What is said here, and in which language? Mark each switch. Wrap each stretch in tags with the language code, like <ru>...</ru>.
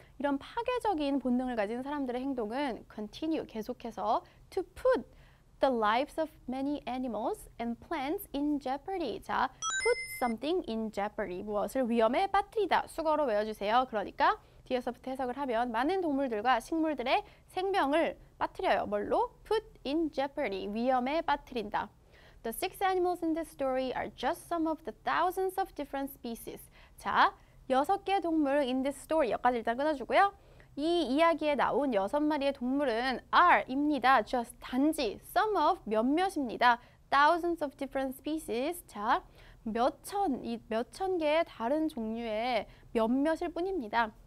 <ko>이런 파괴적인 본능을 가진 사람들의 행동은 continue, 계속해서</ko> <en>to put the lives of many animals and plants in jeopardy. 자, put something in jeopardy.</en> <ko>무엇을 위험에 빠뜨리다. 수거로 외워주세요. 그러니까 뒤에서부터 해석을 하면 많은 동물들과 식물들의 생명을 빠뜨려요. 뭘로?</ko> <en>Put in jeopardy.</en> <ko>위험에 빠뜨린다.</ko> <en>The six animals in this story are just some of the thousands of different species.</en> <ko>자, 여섯 개 동물</ko> <en>in this story</en> <ko>여기까지 일단 끊어주고요. 이 이야기에 나온 여섯 마리의 동물은 are입니다.</ko> <en>Just 단지 some of</en> <ko>몇몇입니다.</ko> <en>Thousands of different species.</en> <ko>자, 몇천 개의 다른 종류의 몇몇일 뿐입니다.</ko>